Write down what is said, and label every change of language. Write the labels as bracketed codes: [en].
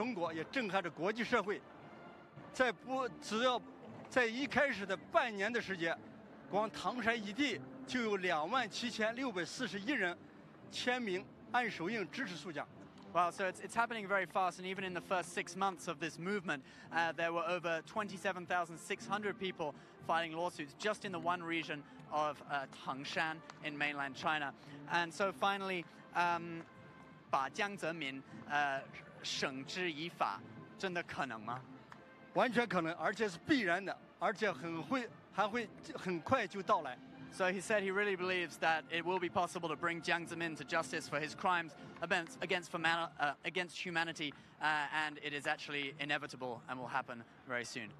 [zh] 你觉得对诉江这件事情对社会的影响是什么？法轮功学员起诉江泽民，震撼着中国，也震撼着国际社会。在不只要在一开始的半年的时间，光唐山一地就有27,641人签名按手印支持肃江。 [en] Well, so it's happening very fast, and even in the first 6 months of this movement, there were over 27,600 people filing lawsuits just in the one region of Tangshan in mainland China. And so finally, [zh] 把江泽民绳之以法，真的可能吗？完全可能，而且是必然的，而且很会，还会很快就到来。So [en] he said he really believes that it will be possible to bring Jiang Zemin to justice for his crimes against humanity, and it is actually inevitable and will happen very soon.